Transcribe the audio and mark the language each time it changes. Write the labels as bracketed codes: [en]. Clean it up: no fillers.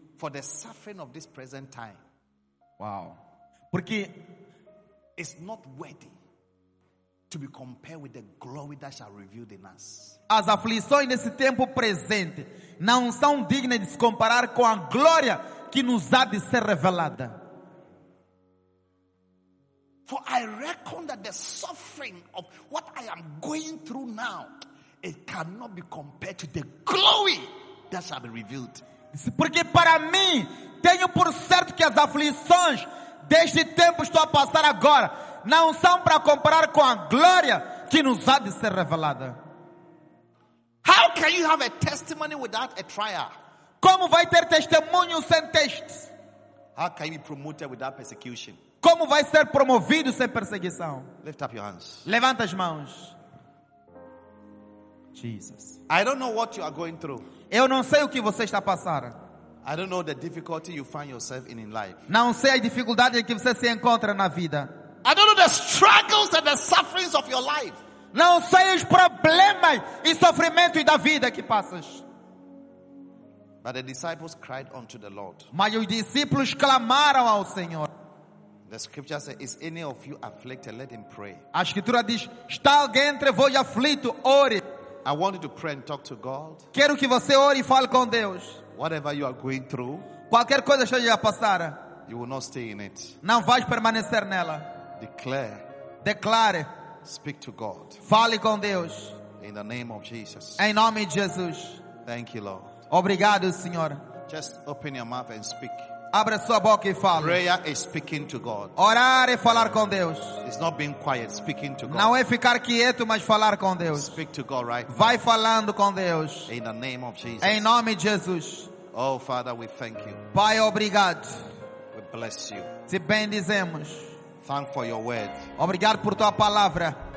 [en] for the suffering of this present time. [pt] Wow. Porque [en] it's not worthy to be compared with the glory that shall be revealed in us. [pt] As aflições nesse tempo presente não são dignas de se comparar com a glória que nos há de ser revelada. [en] For I reckon that the suffering of what I am going through now, it cannot be compared to the glory that shall be revealed. [pt] Porque para mim, tenho por certo que as aflições deste tempo estou a passar agora não são para comparar com a glória que nos há de ser revelada. [en] How can you have a testimony without a trial? [pt] Como vai ter testemunho sem teste? [en] How can you be promoted without persecution? [pt] Como vai ser promovido sem perseguição? [en] Lift up your hands. [pt] Levanta as mãos. Jesus. [en] I don't know what you are going through. [pt] Eu não sei o que você está a passar. [en] I don't know the difficulty you find yourself in life. [pt] Não sei a dificuldade em que você se encontra na vida. [en] I don't know the struggles and the sufferings of your life. [pt] Não sei os problemas e sofrimentos da vida que passas. [en] But the disciples cried unto the Lord. [pt] Mas os discípulos clamaram ao Senhor. [en] The scripture says, "Is any of you afflicted? Let him pray." [pt] A escritura diz: está alguém entre vós aflito? Ore. [en] I want you to pray and talk to God. [pt] Quero que você ore e fale com Deus. [en] Whatever you are going through, [pt] qualquer coisa esteja a passar, [en] you will not stay in it. [pt] Não vais permanecer nela. [en] Declare. [pt] Declare. [en] Speak to God. [pt] Fale com Deus. [en] In the name of Jesus. [pt] Em nome de Jesus. [en] Thank you, Lord. [pt] Obrigado, Senhor. [en] Just open your mouth and speak. [pt] Abre sua boca e fale. [en] Prayer is speaking to God. [pt] Orar e falar com Deus. [en] It's not being quiet, speaking to God. [pt] Não é ficar quieto, mas falar com Deus. [en] Speak to God right. [pt] Vai [en] now. [pt] Falando com Deus. [en] In the name of Jesus. [pt] Em nome de Jesus. [en] Oh Father, we thank you. [pt] Pai, obrigado. [en] We bless you. [pt] Te bendizemos. [en] Thanks for your word. [pt] Obrigado por tua palavra.